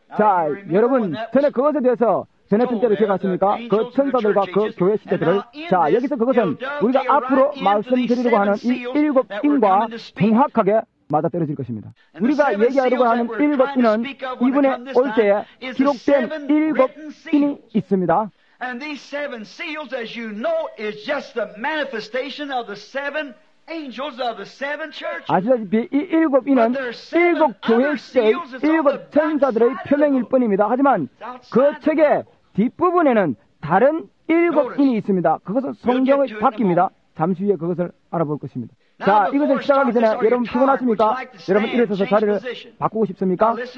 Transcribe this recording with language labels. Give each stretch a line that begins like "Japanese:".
Korean: 자, 여러분 전에 그것에 대해서 전했던 때를 기억하십니까? 그 천사들과 그 교회 시대들을. 자, 여기서 그것은 우리가 앞으로 말씀드리려고 하는 이 일곱 인과 정확하게 맞아떨어질 것입니다. 우리가 얘기하려고 하는 일곱 인은 이분에 올 때에 기록된 일곱 인이 있습니다.
English: And these seven seals, as you know, is just the manifestation of the seven angels of the seven churches.
Korean: 아시다시피 이 일곱 인은 일곱 교회 시대의 일곱 천사들의 표명일 뿐입니다. 하지만 그 책의 뒷부분에는 다른 일곱 인이 있습니다. 그것은 성경의 바뀝니다. 잠시 후에 그것을 알아볼 것입니다. 자, 이것을 시작하기 전에 여러분 피곤하십니까? 여러분 일어서서 자리를 바꾸고 싶습니까?